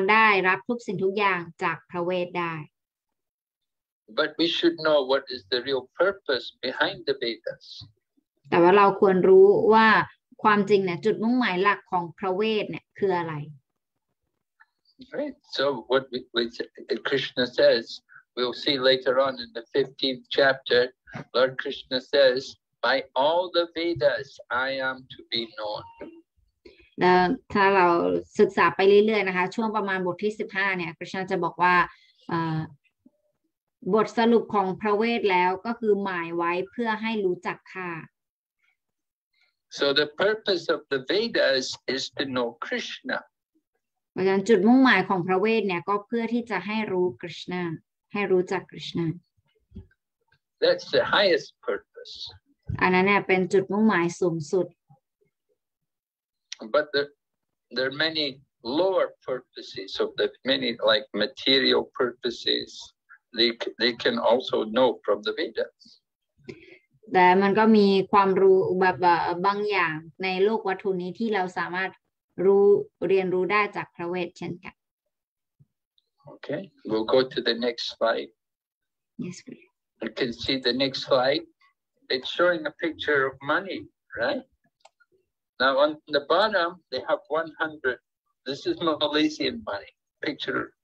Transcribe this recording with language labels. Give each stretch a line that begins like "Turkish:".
Thai: ความจริงแล้วก็คือเราสามารถได้รับทุกสิ่งทุกอย่างจากพระเวทได้
English: But we should know what is the real purpose behind the Vedas
Thai: แต่ว่าเราควรรู้ว่า ความจริงเนี่ยจุดมุ่งหมายหลักของพระเวทเนี่ยคืออะไร
English: Right. So what Krishna says, we'll see later on in the 15th chapter, Lord Krishna says, by all the Vedas I am to be known.
Thai: ถ้าเราศึกษาไปเรื่อยๆนะคะช่วงประมาณบทที่ 15 เนี่ยกฤษณะจะบอกว่าบทสรุปของพระเวทแล้วก็คือหมายไว้เพื่อให้รู้จักค่า
English: So the purpose of the Vedas is to know Krishna.
Thai: เพราะฉะนั้นจุดมุ่งหมายของพระเวทเนี่ยก็เพื่อที่จะให้รู้คริชนาให้รู้จักคริชนา
English: That's the highest purpose.
Thai: อันนั้นเป็นจุดมุ่งหมายสูงสุด
English: But there are many lower purposes of the many like material purposes. They can also know from the Vedas.
Thai: แต่มันก็มีความรู้แบบบางอย่างในโลกวัตถุนี้ที่เราสามารถรู้เรียนรู้ได้จากพระเวทเช่นกัน
English: โอเค we'll go to the next slide yes please. You can see the next slide it's showing a picture of money right now on the bottom they have 100 this is Malaysian money picture